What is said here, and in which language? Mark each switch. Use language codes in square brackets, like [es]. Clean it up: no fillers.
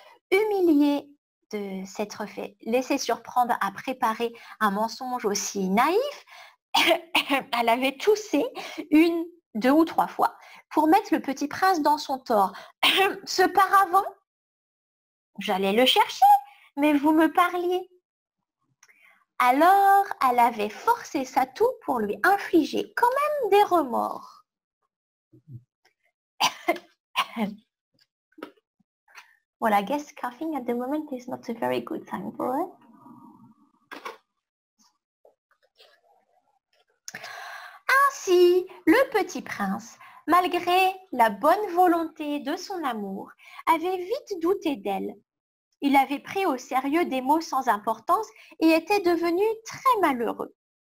[fr] Humiliée de s'être fait laisser surprendre à préparer un mensonge aussi naïf, elle avait toussé une, deux ou trois fois, pour mettre le petit prince dans son tort. « Ce paravent ? J'allais le chercher, mais vous me parliez. » Alors, elle avait forcé sa toux pour lui infliger quand même des remords. [en] Well, I guess coughing at the moment is not a very good time for it. [fr] Ainsi, le petit prince, malgré la bonne volonté de son amour, avait vite douté d'elle. Il avait pris au sérieux des mots sans importance et était devenu très malheureux.